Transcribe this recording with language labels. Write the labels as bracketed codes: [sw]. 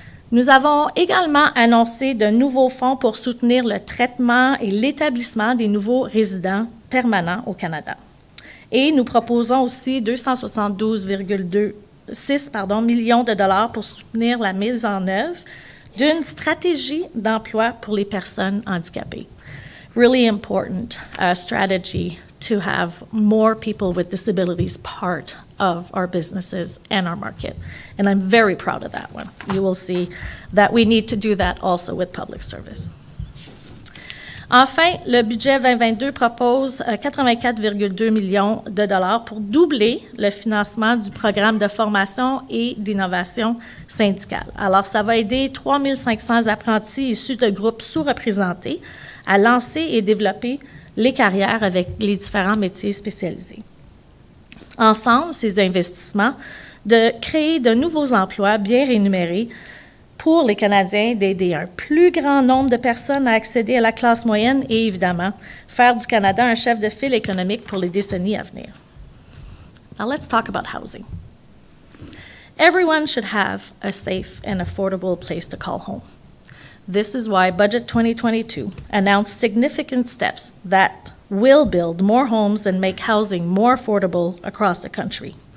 [fr] Nous avons également annoncé de nouveaux fonds pour soutenir le traitement et l'établissement des nouveaux résidents permanents au Canada. Et nous proposons aussi 272,6 millions de dollars pour soutenir la mise en œuvre d'une stratégie d'emploi pour les personnes handicapées. [en] Really important strategy to have more people with disabilities part of our businesses and our market. And I'm very proud of that one. You will see that we need to do that also with public service. [fr] Enfin, le budget 2022 propose 84,2 millions de dollars pour doubler le financement du programme de formation et d'innovation syndicale. Alors, ça va aider 3500 apprentis issus de groupes sous-représentés à lancer et développer les carrières avec les différents métiers spécialisés. Ensemble, ces investissements, de créer de nouveaux emplois bien rémunérés pour les Canadiens, d'aider un plus grand nombre de personnes à accéder à la classe moyenne et, évidemment, faire du Canada un chef de file économique pour les décennies à venir. [en] Now, let's talk about housing. Everyone should have a safe and affordable place to call home. This is why Budget 2022 announced significant steps that will build more homes and make housing more affordable across the country.